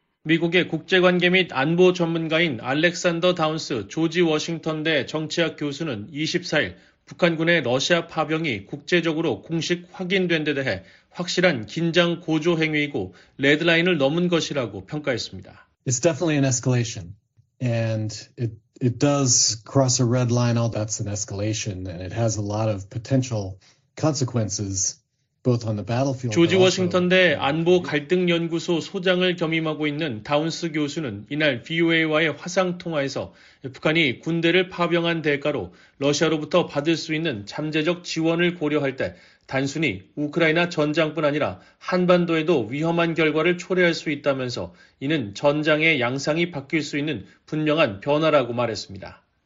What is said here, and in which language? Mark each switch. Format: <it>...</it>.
<ko>미국의 국제관계 및 안보 전문가인 알렉산더 다운스 조지 워싱턴대 정치학 교수는 24일 북한군의 러시아 파병이 국제적으로 공식 확인된 데 대해 확실한 긴장 고조 행위이고 레드라인을 넘은 것이라고 평가했습니다.</ko> <en>It's definitely an escalation. And it does cross a red line, all that's an escalation, and it has a lot of potential consequences, both on the battlefield.</en> <ko>조지 워싱턴대 안보 갈등 연구소 소장을 겸임하고 있는 다운스 교수는 이날 VOA와의 화상 통화에서 북한이 군대를 파병한 대가로 러시아로부터 받을 수 있는 잠재적 지원을 고려할 때 단순히 우크라이나 전장뿐 아니라 한반도에도 위험한 결과를 초래할 수 있다면서 이는 전장의 양상이 바뀔 수 있는 분명한 변화라고 말했습니다.</ko>